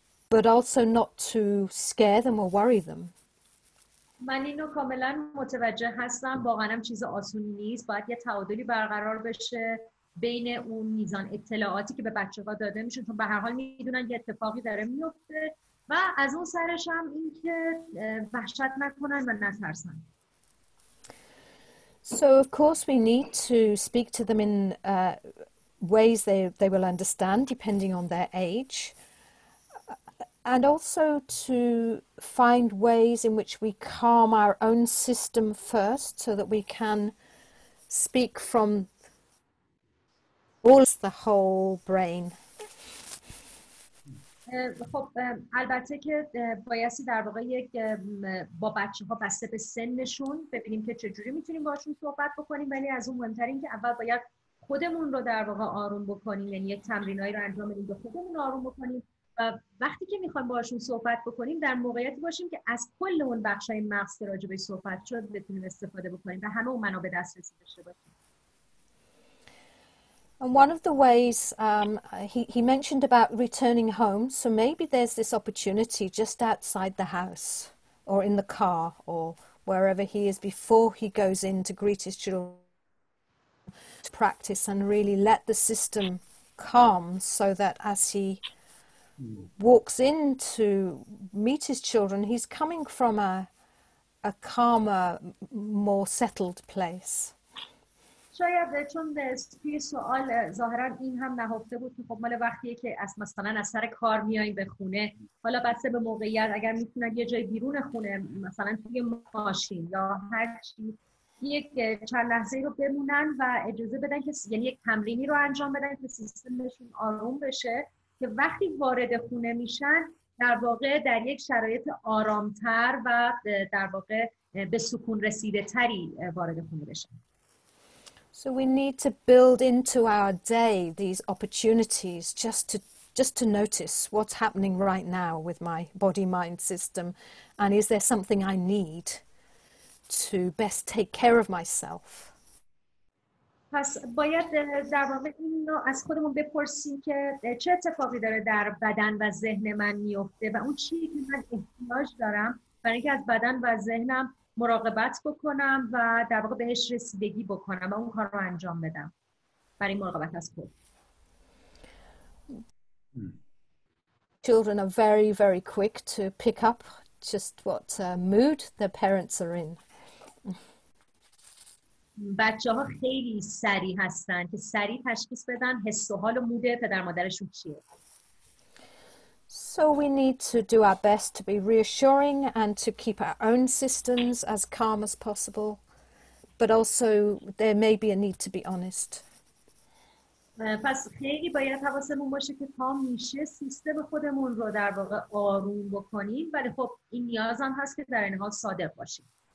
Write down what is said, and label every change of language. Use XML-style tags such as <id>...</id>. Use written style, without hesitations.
<en>But also not to scare them or worry them.</en> <fa>من اینو کاملا متوجه هستم. واقعا هم چیز آسونی نیست. باید یه تعادلی برقرار بشه. بین اون میزان اطلاعاتی که به بچه‌ها داده میشه چون به هر حال میدونن یه اتفاقی داره میفته و از اون سرش هم این که وحشت نکنن و نترسن.</fa> <en>So of course we need to speak to them in ways they will understand depending on their age and also to find ways in which we calm our own system first so that we can speak from all the whole brain.</en> <fa>خب البته که بایستی در واقع یک با بچه‌ها بسته به سنشون ببینیم که چه جوری میتونیم باهاشون صحبت بکنیم ولی از اون مهمتر این که اول باید خودمون رو در واقع آروم بکنیم یعنی یک تمرینایی رو انجام بدیم که خودمون آروم بکنیم و وقتی که میخوایم باهاشون صحبت بکنیم در موقعیتی باشیم که از کل اون بخشای مغز که راجع بهش صحبت شد بتونیم استفاده بکنیم و همه اون منابع دسترسی داشته باشیم</fa> <en>And one of the ways he mentioned about returning home, so maybe there's this opportunity just outside the house or in the car or wherever he is before he goes in to greet his children to practice and really let the system calm so that as he walks in to meet his children, he's coming from a calmer, more settled place.</en> <fa>شاید چون توی سوال ظاهرا این هم نهفته بود که خب مال وقتیه که از مثلا از سر کار میایین به خونه حالا بسته به موقعیت اگر میتونن یه جای بیرون خونه مثلا توی ماشین یا هر چی یک چند لحظه رو بمونن و اجازه بدن که یعنی یک تمرینی رو انجام بدن که سیستمشون آروم بشه که وقتی وارد خونه میشن در واقع در یک شرایط آرامتر و در واقع به سکون رسیده تری وارد خونه بشن</fa> <en>So we need to build into our day these opportunities just to notice what's happening right now with my body mind system, and is there something I need to best take care of myself.</en> <fa>پس باید در واقع اینو از خودمون بپرسیم که چه اتفاقی داره در بدن و ذهن من میفته و اون چیزی که من احتیاج دارم برای اینکه از بدن و ذهنم مراقبت بکنم و در واقع بهش رسیدگی بکنم و اون کار رو انجام بدم برای مراقبت از خود.</fa> <en>Children are very, very quick to pick up just what mood their parents are in.</en> <fa>بچه ها خیلی سریع هستن که سریع تشخیص بدن حس و حال و مود پدر مادرشون چیه.</fa> <en>So we need to do our best to be reassuring and to keep our own systems as calm as possible. But also there may be a need to be honest.</en> <fa>پس خیلی باید حواسمون باشه که کام میشه سیستم خودمون رو در واقع آروم بکنیم ولی خب این نیاز هم هست که در این حال صادق باشیم.</fa>